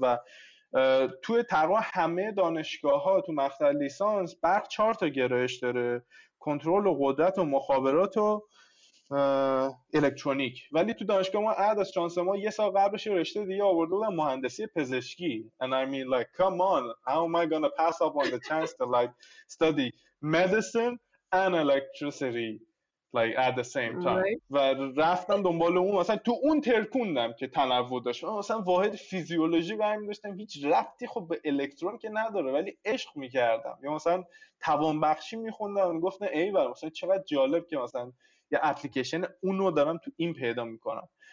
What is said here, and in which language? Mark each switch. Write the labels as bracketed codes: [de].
[fa] و توی تقریبا همه دانشگاه ها تو مقطع لیسانس برق 4 تا گرایش داره، کنترل و قدرت و مخابرات و الکترونیک. ولی تو دانشگاه ما عد از چانس ما یه سال قبلش رشته دیگه آورده بودن مهندسی پزشکی. [en] And I mean like come on, how am I gonna pass up on the chance to like study medicine and electricity like at the same time. Right. [fa] و رفتم دنبال اون مثلا تو اون ترکوندم که تنوع داشت. مثلا واحد فیزیولوژی برمی داشتم هیچ ربطی خب به الکترون که نداره ولی عشق میکردم. یا مثلا توانبخشی میخوندم گفتم ای بر مثلا چقدر جالب که مثلا یه اپلیکیشن اونو دارم تو این پیدا میکنم.